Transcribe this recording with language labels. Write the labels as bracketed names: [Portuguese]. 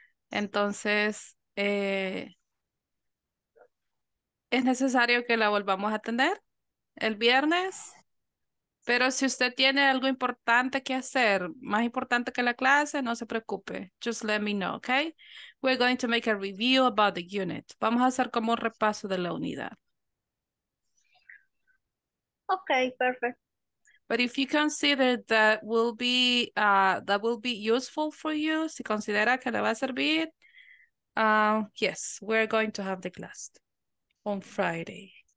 [Spanish] Entonces, es necesario que la volvamos a atender el viernes, pero si usted tiene algo importante que hacer, más importante que la clase, no se preocupe. [English] Just let me know, okay? We're going to make a review about the unit. [Spanish] Vamos a hacer como un repaso de la unidad. [English] Okay, perfect. But if you consider that will be useful for you, [Spanish] si considera que le va a servir, [English] yes, we're going to have the class on Friday.